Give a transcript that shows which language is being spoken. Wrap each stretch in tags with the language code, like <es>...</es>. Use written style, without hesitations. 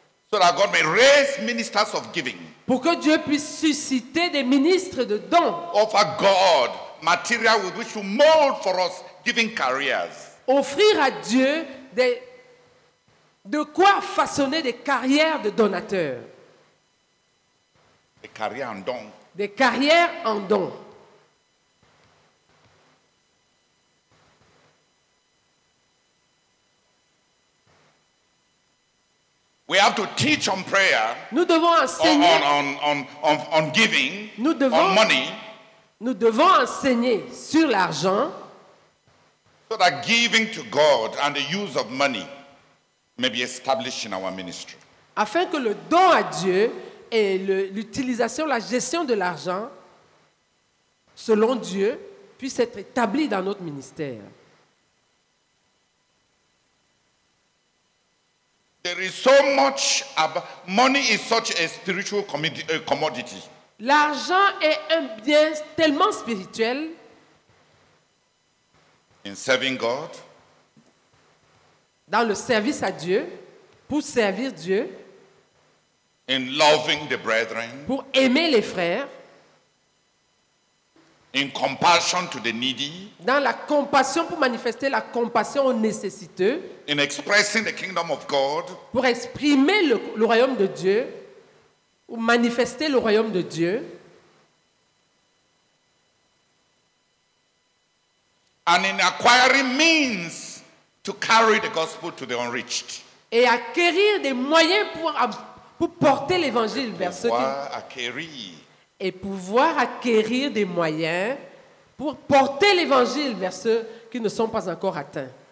<en>So that God may raise ministers of giving.</en> <fr>Pour que Dieu puisse susciter des ministres de dons.</fr> <en>Offer God material with which to mold for us giving careers.</en> <fr>Offrir à Dieu des de quoi façonner des carrières de donateurs. Des carrières en dons. Des carrières en dons.</fr> <en>We have to teach on prayer.</en> <fr>Nous devons enseigner.</fr> <en>On giving.</en> <fr>Nous devons,</fr> <en>on money.</en> <fr>Nous devons enseigner sur l'argent.</fr> <en>so that giving to God and the use of money may be established in our ministry.</en> <fr>Afin que le don à Dieu et l'utilisation, la gestion de l'argent selon Dieu puisse être établi dans notre ministère.</fr> <en>There is so much about money is such a spiritual commodity.</en> <fr>L'argent est un bien tellement spirituel.</fr> <en>In serving God.</en> <fr>Dans le service à Dieu, pour servir Dieu.</fr> <en>In loving the brethren.</en> <fr>Pour aimer les frères.</fr> <en>In compassion to the needy.</en> <fr>Dans la compassion, pour manifester la compassion aux nécessiteux.</fr> <en>In expressing the kingdom of God.</en> <fr>Pour exprimer le royaume de Dieu. Ou manifester le royaume de Dieu.</fr> <en>And in acquiring means to carry the gospel to the unreached.</en> <fr>Et acquérir des moyens pour porter l'évangile vers ceux qui... Et pouvoir acquérir des moyens pour porter l'évangile vers ceux qui ne sont pas encore atteints.</fr>